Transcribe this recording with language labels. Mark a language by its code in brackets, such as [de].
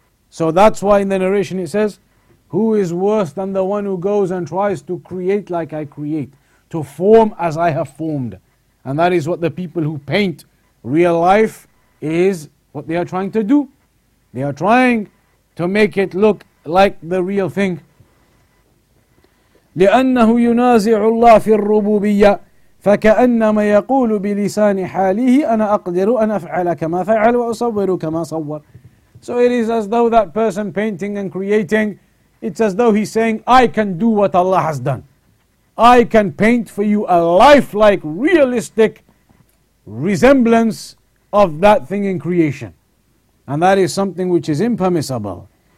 [en] So that's why in the narration it says, who is worse than the one who goes and tries to create like I create, to form as I have formed? And that is what the people who paint real life is what they are trying to do. They are trying to make it look like the real thing. [ar] لأنه ينازع الله في الربوبية فكأنما يقول بلسان حاله أنا أقدر أن أفعل كما فعل وأصور كما صور. [en] So it is as though that person painting and creating, it's as though he's saying, I can do what Allah has done. I can paint for you a lifelike, realistic resemblance of that thing in creation. And that is something which is impermissible.